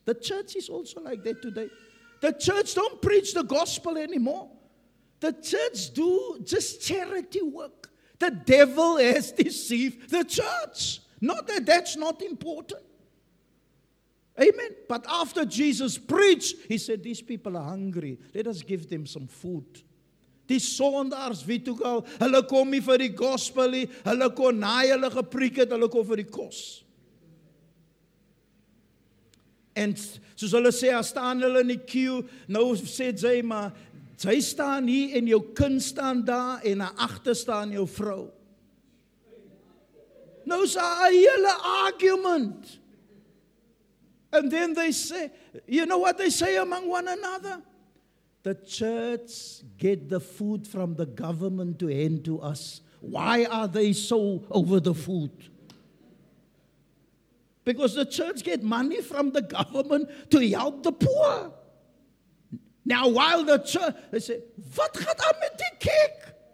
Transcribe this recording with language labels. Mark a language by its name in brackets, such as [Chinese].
[English] The church is also like that today. The church don't preach the gospel anymore. The church do just charity work. The devil has deceived the church. Not that that's not important. Amen. But after Jesus preached, he said, these people are hungry. Let us give them some food. [Afrikaans] Die sondaars, wie toe gaan, hulle kom nie vir die gospel nie. Hulle kon na hulle gepreek het, hulle kom vir die kos. En soos hulle sê, as staan hulle in die queue, nou sê jy, maar jy staan hier en jou kind staan daar en na achter staan jou vrou. Nou is daar 'n hele argument. [English] And then they say, you know what they say among one another? The church get the food from the government to hand to us. Why are they so over the food? Because the church get money from the government to help the poor. Now while the church, they say, [Afrikaans] wat gaat aan met die kerk?